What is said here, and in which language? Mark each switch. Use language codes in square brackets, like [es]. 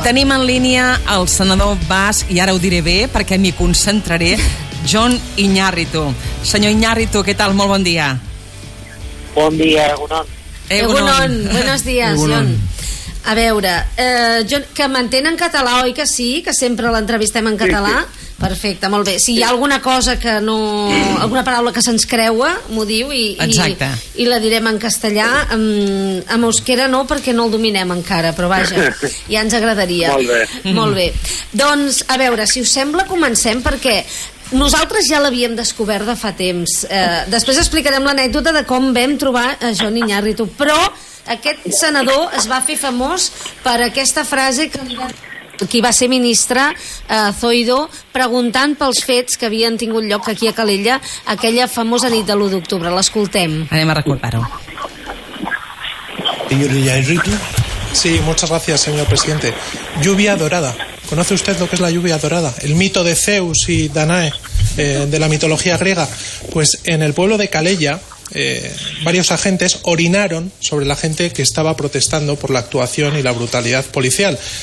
[ca] Tenim en línia el senador Bas, i ara ho diré bé perquè m'hi concentraré, John Iñárritu. Senyor Iñárritu, què tal? Molt bon dia. Bon dia, [eu] Egunon. Egunon, [es] buenos días, John. [ca] A veure, John, que m'entén en català, oi que sí? Que sempre l'entrevistem en català? Sí, sí. Perfecte, molt bé. Si hi ha alguna cosa que no... alguna paraula que se'ns creua, m'ho diu i la direm en castellà. Amb euskera no, perquè no el dominem encara, però vaja, ja ens agradaria. Molt bé. Molt bé. Doncs, a veure, si us sembla, comencem, perquè nosaltres ja l'havíem descobert de fa temps. Després explicarem l'anècdota de com vam trobar a John Iñárritu, però aquest senador es va fer famós per aquesta frase que... qui va ser ministre, Zoido, preguntant pels fets que havien tingut lloc aquí a Calella aquella famosa nit de l'1 d'octubre. L'escoltem. Anem a recordar-ho. [es] Señor Iñárritu. Sí, muchas gracias, señor presidente. Lluvia dorada. ¿Conoce usted lo que es la lluvia dorada? El mito de Zeus y Danae, de la mitología griega. Pues en el pueblo de Calella... varios agentes orinaron sobre la gente que estaba protestando por la actuación y la brutalidad policial.